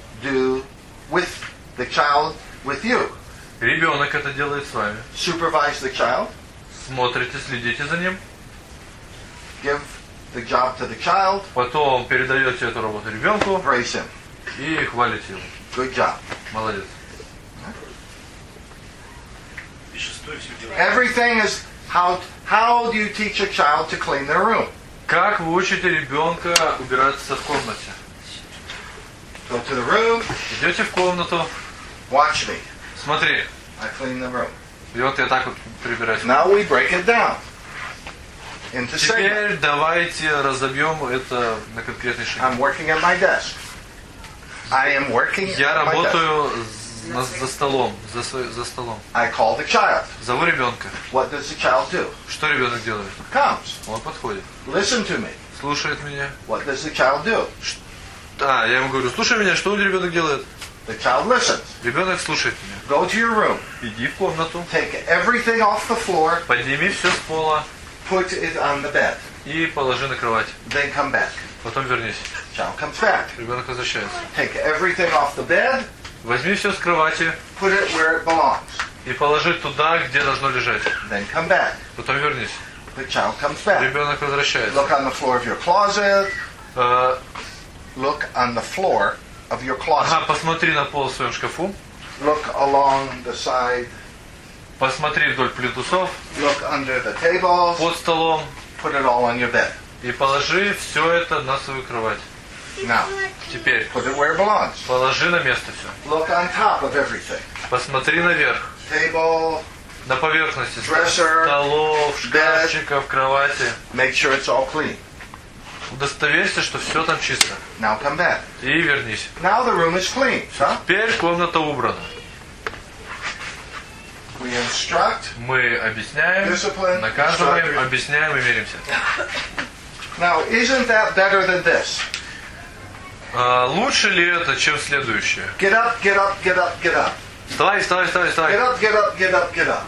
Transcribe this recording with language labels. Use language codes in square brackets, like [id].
[en] Do with the child with you. [ru] Ребенок это делает с вами. [en] Supervise the child. [ru] Смотрите, следите за ним. [en] Give the job to the child. [ru] Потом передаете эту работу ребенку. [en] Praise him. [ru] И хвалите его. [en] Good job. [ru] Молодец. [en] Everything is how do you teach a child to clean their room? [ru] Как вы учите ребенка убираться в комнате? [en] Go to the room. [ru] Идете в комнату. [en] Watch me. [ru] Смотри. [en] I clean the room. [ru] И вот я так вот прибираюсь. [en] Now we break it down. [ru] Теперь давайте разобьем это на конкретный шаг. [en] I'm working at my desk. I am working [ru] я работаю за столом. За столом. [en] I call the child. [ru] Зову ребенка. [en] What does the child do? [ru] Что ребенок делает? [en] Comes. [ru] Он подходит. [en] Listen to me. [ru] Слушает меня. [en] What does the child do? [ru] А, я ему говорю, слушай меня, что ребенок делает? [en] The child listens. [ru] Ребенок слушает меня. [en] Go to your room. [ru] Иди в комнату. [en] Take everything off the floor. [ru] Подними все с пола. [en] Put it on the bed. [ru] И положи на кровать. [en] Then come back. [ru] Потом вернись. [en] Child comes back. [ru] Ребенок возвращается. [en] Take everything off the bed. [ru] Возьми все с кровати. [en] Put it where it belongs. [ru] И положи туда, где должно лежать. [en] Then come back. [ru] Потом вернись. [en] The child comes back. [ru] Ребенок возвращается. [en] Look on the floor of your closet. Look on the floor of your closet. [ru] Ага, посмотри на пол в своем шкафу. [en] Look along the side. [ru] Посмотри вдоль плинтусов. [en] Look under the table. [ru] Под столом. [en] Put it all on your bed. [ru] И положи все это на свою кровать. [en] Now. [ru] Теперь. [en] Put it where it belongs. [ru] Положи на место все. [en] Look on top of everything. [ru] Посмотри наверх. [en] Table. [ru] На поверхности. [en] Dresser. [ru] Столов, шкафчиков, [en] bed. [ru] Кровати. [en] Make sure it's all clean. [ru] Удостоверься, что все там чисто. [en] Now come back. [ru] И вернись. [en] Now the room is clean, huh? [ru] Теперь комната убрана. [en] We instruct, [ru] мы объясняем, [en] discipline, [ru] наказываем, [en] instruct. [ru] Объясняем и миримся. [en] Now, isn't that better than this? [ru] Лучше ли это, чем следующее? [en] Get up, get up, get up, get up. [ru] Вставай. [en] Get up, get up, get up, get up.